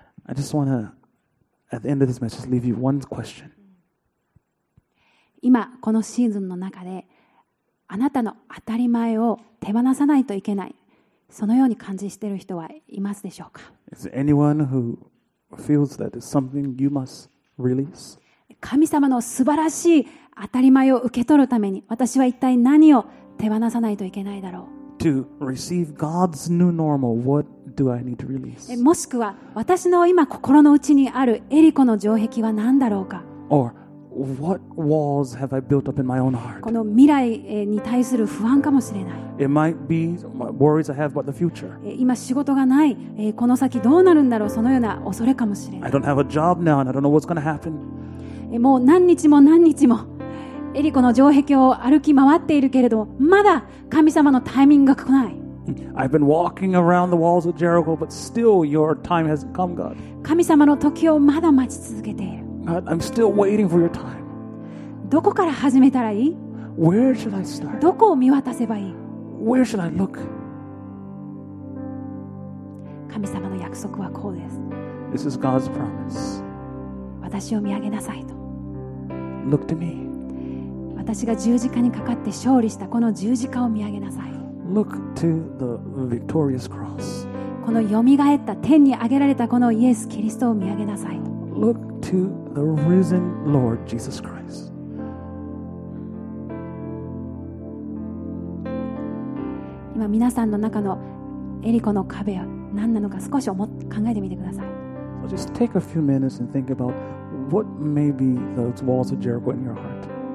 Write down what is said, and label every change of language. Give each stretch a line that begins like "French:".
English: I just want to, at the end of this message, leave you one question.
Japanese: 今このシーズンの中で、あなたの当たり前を手放さないといけない、そのように感じしている人はいますでしょうか。
English: Is there anyone who feels that it's something you must release?
Japanese: 神様の素晴らしい当たり前を受け取るために、私は一体何を手放さないといけないだろう。
English: To receive God's new normal, what do I need to release?
Japanese: もしくは私の今心の内にあるエリコの城壁は何だろうか。
English: Or what walls have I built up in my own heart?
Japanese: この未来に対する不安かもしれない。
English: It might be worries I have about the future.
Japanese: 今仕事がない、この先どうなるんだろう、そのような恐れかもしれない。
English: I don't have a job now, and I don't know what's going to happen.
Japanese: もう何日も何日も。エリコの城壁を歩き回っているけれど、まだ神様のタイミングが来ない。
English: I've been walking around the walls of Jericho, but still your time hasn't come, God.
Japanese: 神様の時をまだ待ち続けている。
English: God, I'm still waiting for your time.
Japanese: どこから始めたらいい?
English: Where should I start?
Japanese: どこを見渡せばいい?
English: Where should I look?
Japanese: 神様の約束はこうです。
English: This is God's promise.
Japanese: 私を見上げなさいと。
English: Look to me.
Japanese: 私が十字架にかかって勝利したこの十字架を見上げなさい。
English: Look to the victorious cross.
Japanese: このよみがえった天に上げられたこのイエス・キリストを見上げなさい。
English: Look to the risen Lord Jesus Christ.
Japanese: 今皆さんの中のエリコの壁は何なのか少し考えてみてください。
English: So just take a few minutes and think about what may be those walls of Jericho in your heart.